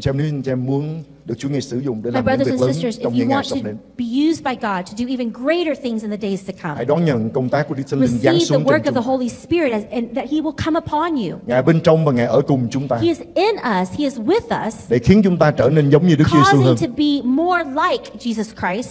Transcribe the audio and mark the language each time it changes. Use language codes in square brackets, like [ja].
[vi] chị em, nếu anh chị em muốn được Chúa Ngài sử dụng để làm những việc lớn trong những ngày sắp đến, [en] be used by God to do even greater things in the days to come. [vi] Hãy đón nhận công tác của Đức Thánh Linh giáng xuống trong chúng ta. [en] Receive the work of the Holy Spirit and that He will come upon you. [vi] Ngài bên trong và Ngài ở cùng chúng ta. [en] He is in us. He is with us. [vi] Để khiến chúng ta trở nên giống như Đức Giêsu hơn. [en] Causing to be more like Jesus Christ.